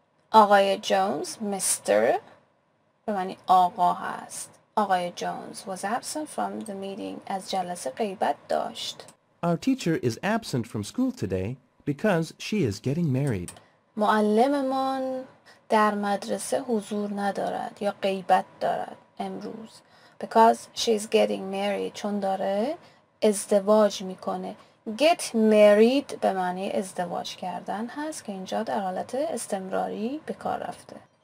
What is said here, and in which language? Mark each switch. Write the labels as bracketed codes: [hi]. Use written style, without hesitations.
[fa] آقای جونز. Mr. به معنی آقا هست. آقای جونز [en] was absent from the meeting [fa] از جلسه غیبت داشت. [en] Our teacher is absent from school today because she is getting married. [fa] معلممان در مدرسه حضور ندارد یا غیبت دارد امروز. [en] Because she is getting married [fa] چون داره ازدواج میکنه. [en] Get married [fa] به معنی ازدواج کردن هست که اینجا در حالت استمراری به کار رفته.